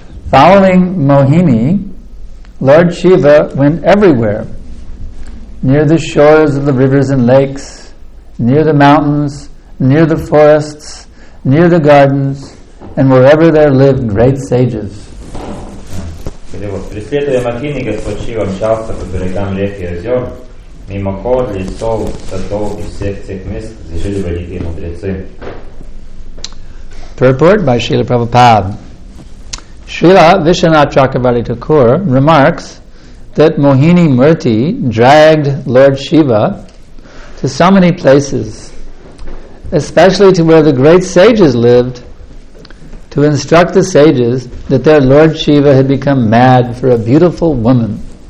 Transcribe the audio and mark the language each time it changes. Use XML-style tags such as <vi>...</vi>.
<en>Following Mohini, Lord Shiva went everywhere, near the shores of the rivers and lakes, near the mountains, near the forests, near the gardens, and wherever there lived great sages.</en> <ru>Преследуя Махини, Господь Шива мчался по берегам рек и озер, мимо гор, лесов, садов и всех тех мест, где жили великие мудрецы.</ru> <en>Purport by Srila Prabhupada. Srila Vishwanath Chakravarti Thakur remarks that Mohini Murti dragged Lord Shiva to so many places, especially to where the great sages lived, to instruct the sages that their Lord Shiva had become mad for a beautiful woman.</en>